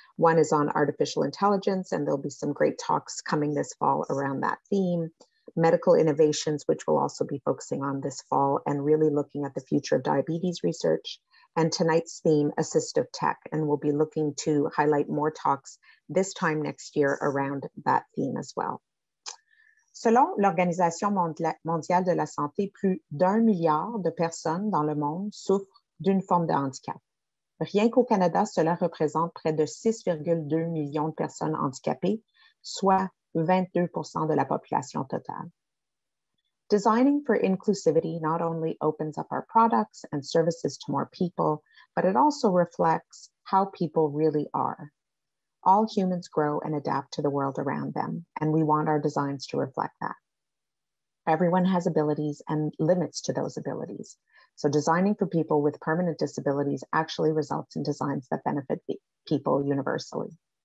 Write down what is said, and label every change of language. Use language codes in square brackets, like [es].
[en] One is on artificial intelligence, and there'll be some great talks coming this fall around that theme. Medical innovations, which we'll also be focusing on this fall and really looking at the future of diabetes research. And tonight's theme, assistive tech. And we'll be looking to highlight more talks this time next year around that theme as well. [fr] Selon l'Organisation mondiale de la santé, plus d'un milliard de personnes dans le monde souffrent d'une forme de handicap. Rien qu'au Canada, cela représente près de 6,2 millions de personnes handicapées, soit 22% de la population totale. [en] Designing for inclusivity not only opens up our products and services to more people, but it also reflects how people really are. All humans grow and adapt to the world around them, and we want our designs to reflect that. Everyone has abilities and limits to those abilities. So designing for people with permanent disabilities actually results in designs that benefit people universally.